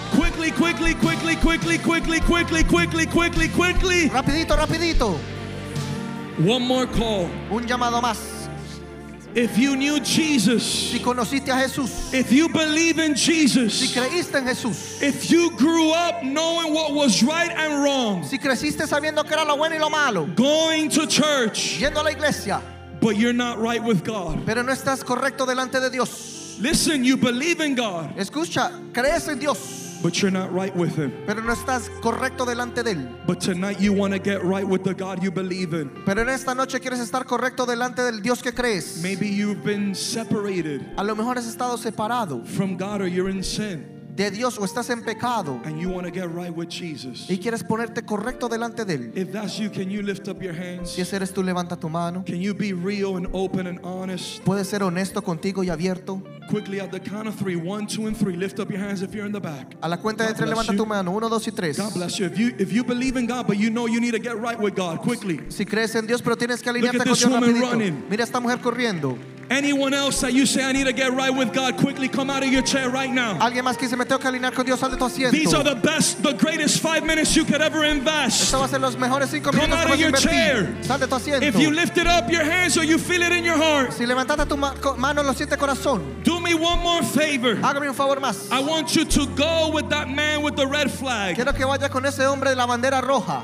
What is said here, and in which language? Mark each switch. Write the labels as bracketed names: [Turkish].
[English] Quickly, quickly, quickly, quickly, quickly, quickly, quickly, quickly, quickly. [Spanish] Rapidito, rapidito. [English] One more call. [Spanish] Un llamado más. [English] If you knew Jesus, [Spanish] si conociste a Jesús, [English] if you believe in Jesus, [Spanish] si creíste en Jesús, [English] if you grew up knowing what was right and wrong, [Spanish] si creciste sabiendo que era lo bueno y lo malo, [English] going to church, [Spanish] yendo a la iglesia, [English] but you're not right with God, [Spanish] pero no estás correcto delante de Dios. [English] Listen, you believe in God, [Spanish] escucha, crees en Dios, [English] but you're not right with him. [Spanish] Pero no estás correcto delante de él. [English] But tonight you want to get right with the God you believe in. [Spanish] Pero en esta noche quieres estar correcto delante del Dios que crees. [English] Maybe you've been separated. [Spanish] A lo mejor has estado separado. [English] From God or you're in sin. [Spanish] De Dios o estás en pecado. [English] And you want to get right with Jesus. [Spanish] Y quieres ponerte correcto delante de él. [English] If that's you, can you lift up your hands? [Spanish] Si ese eres tú, levanta tu mano. [English] Can you be real and open and honest? [Spanish] ¿Puedes ser honesto contigo y abierto? [English] Quickly at the count of three, one, two, and three. Lift up your hands if you're in the back. [Spanish] A la cuenta de tres, levanta tu mano. Uno, dos y tres. [English] God bless you. If you believe in God, but you know you need to get right with God quickly. [Spanish] Si crees en Dios, pero tienes que alinearte con Dios rapidito. [English] Look at this woman running. [Spanish] Mira esta mujer corriendo. [English] Anyone else that you say I need to get right with God quickly, come out of your chair right now. [Spanish] Alguien más que dice me tengo que alinear con Dios, sal de tu asiento. [English] These are the best, the greatest 5 minutes you could ever invest. [Spanish] Esto va a ser los mejores 5 minutos que vas a invertir. [English] Come out of your chair. [Spanish] Sal de tu asiento. [English] If you lifted up your hands or you feel it in your heart. [Spanish] Si levantaste tu mano lo siente corazón. [English] Do me one more favor. [Spanish] Hágame un favor más. [English] I want you to go with that man with the red flag. [Spanish] Quiero que vayas con ese hombre de la bandera roja.